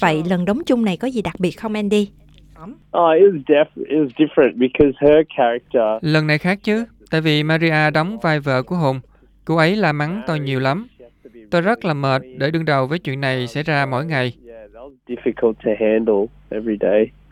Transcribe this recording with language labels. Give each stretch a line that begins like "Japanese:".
Vietnamese: Vậy lần đóng chung này có gì đặc biệt không Andy?
English: It was different because her character.
Vietnamese: Lần này khác chứ, tại vì Maria đóng vai vợ của Hùng. Cô ấy la mắng tôi nhiều lắm. Tôi rất là mệt để đương đầu với chuyện này xảy ra mỗi ngày.
English: Difficult to handle every day.